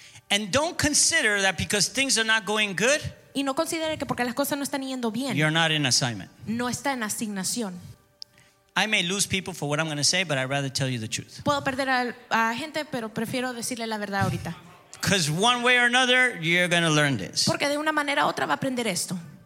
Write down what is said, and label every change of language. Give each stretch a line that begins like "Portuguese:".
English: And don't consider that because things are not going good,
Spanish: y no considere que porque las cosas no están yendo bien,
English: you're not in assignment.
Spanish: No está en asignación.
English: I may lose people for what I'm going to say, but I'd rather tell you the truth.
Spanish: Puedo perder a gente, pero prefiero decirle la verdad ahorita.
English: Because one way or another, you're going to learn this.
Spanish: Porque de una manera u otra va a aprender esto.